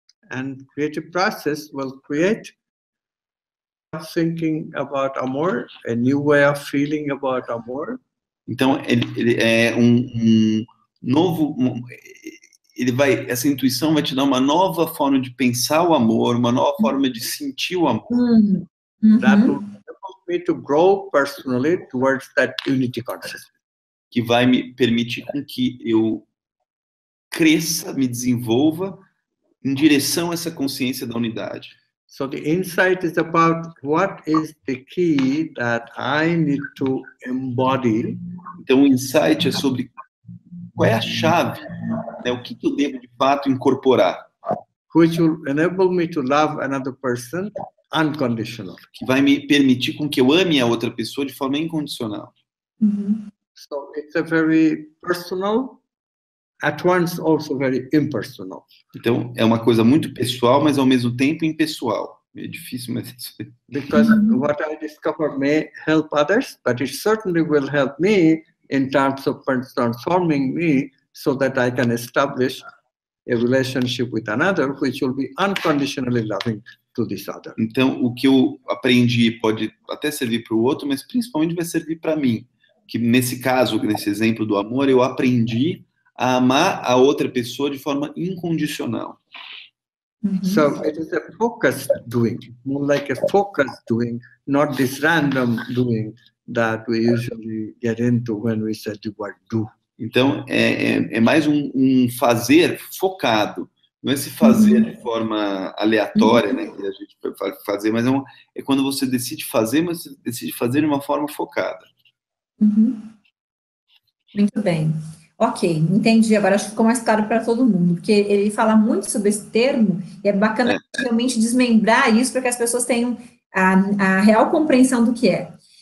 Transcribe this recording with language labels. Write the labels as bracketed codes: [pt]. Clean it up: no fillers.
[en] And create a process will create thinking about amor, a new way of feeling about amor. [pt] Então, ele é um novo... ele vai, essa intuição vai te dar uma nova forma de pensar o amor, uma nova forma de sentir o amor. [en] That will help me to grow personally towards that unity consciousness. [pt] Que vai me permitir com que eu cresça, me desenvolva em direção a essa consciência da unidade. [en] So the insight is about what is the key that I need to embody. [pt] Então o insight é sobre qual é a chave, né? O que eu devo de fato incorporar. [en] Which will enable me to love another person unconditional. [pt] Que vai me permitir com que eu ame a outra pessoa de forma incondicional. [en] So it's a very personal, at once also very impersonal. [pt] Então é uma coisa muito pessoal, mas ao mesmo tempo impessoal. É difícil, mas [en] because what I discover may help others, but it certainly will help me in terms of transforming me so that I can establish a relationship with another which will be unconditionally loving to this other. [pt] Então o que eu aprendi pode até servir para o outro, mas principalmente vai servir para mim. Que nesse caso, nesse exemplo do amor, eu aprendi a amar a outra pessoa de forma incondicional. [en] So it is a focused doing, more like a focused doing, not this random doing that we usually get into when we say the word do. [pt] Então é mais um fazer focado, não é se fazer de forma aleatória, né, que a gente vai fazer, mas é quando você decide fazer, mas você decide fazer de uma forma focada. Muito bem, ok, entendi, agora acho que ficou mais claro para todo mundo, porque ele fala muito sobre esse termo e é bacana realmente desmembrar isso para que as pessoas tenham a real compreensão do que é.